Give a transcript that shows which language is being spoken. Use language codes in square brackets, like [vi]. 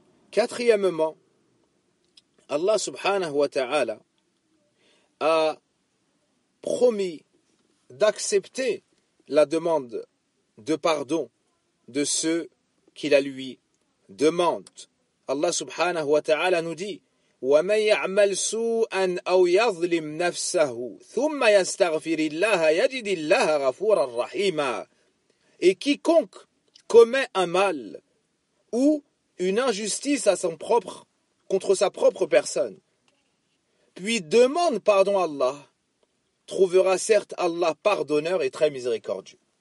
[fr] Quatrièmement, Allah subhanahu wa ta'ala a promis d'accepter la demande de pardon de ceux qui la lui demandent. [ar] Allah subhanahu wa ta'ala [fr] nous dit [ar] وَمَنْ يَعْمَلْ سُوءًا أَوْ يَظْلِمْ نَفْسَهُ ثُمَّ يَسْتَغْفِرِ اللَّهَ يَجِدِ اللَّهَ غَفُورًا رَحِيمًا. [fr] Et quiconque commet un mal ou une injustice contre sa propre personne, puis demande pardon à Allah, trouvera certes Allah pardonneur et très miséricordieux.